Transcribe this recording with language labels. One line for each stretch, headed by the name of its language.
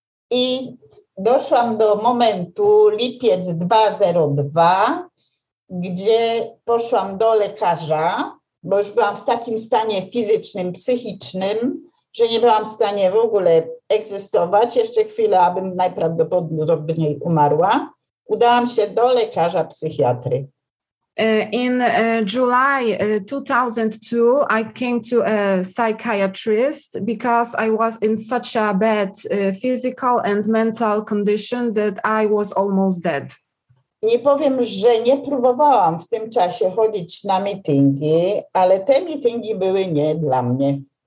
Polish: I doszłam do momentu lipiec 2.02, gdzie poszłam do lekarza, bo już byłam w takim stanie fizycznym, psychicznym, że nie byłam w stanie w ogóle egzystować. Jeszcze chwilę, abym najprawdopodobniej umarła. Udałam się do lekarza psychiatry.
English: In July 2002, I came to a psychiatrist because I was in such a bad physical and mental condition that I was almost dead.
Polish: Nie powiem, że nie próbowałam w tym czasie chodzić na meetingi, ale te meetingi były nie dla mnie.